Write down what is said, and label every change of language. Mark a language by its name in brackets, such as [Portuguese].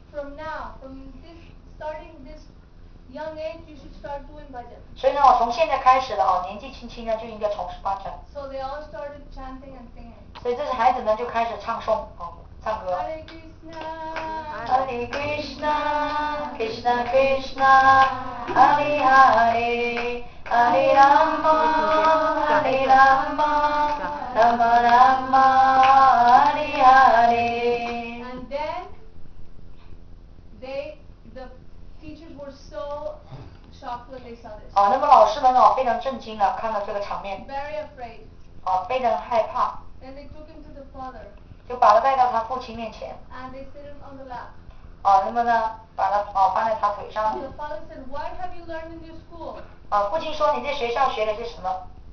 [English] From now, from this starting this young age, you should start doing bhajan. [Chinese] 所以呢，我从现在开始的哦，年纪轻轻呢就应该从事bhajan。 [English] So they all started chanting and singing. [Chinese] 所以这些孩子呢就开始唱诵哦，唱歌。 [Sanskrit] Hare Krishna, Hare Krishna, Krishna Krishna, Hare Hare, Hare Rama, Hare Rama. Rama Rama, Hare Hare. [English] And then the teachers were so shocked when they saw this. [Chinese] 哦，那么老师们哦，非常震惊了，看到这个场面。 [English] Very afraid. [Chinese] 哦，非常害怕。 [English] And they took him to the father. [Chinese] 就把他带到他父亲面前。 [English] And they sit him on the lap. [Chinese] 哦，那么呢，把他哦放在他腿上。 [English] The father said, "What have you learned in your school?" [Chinese] 哦，父亲说，你在学校学了些什么？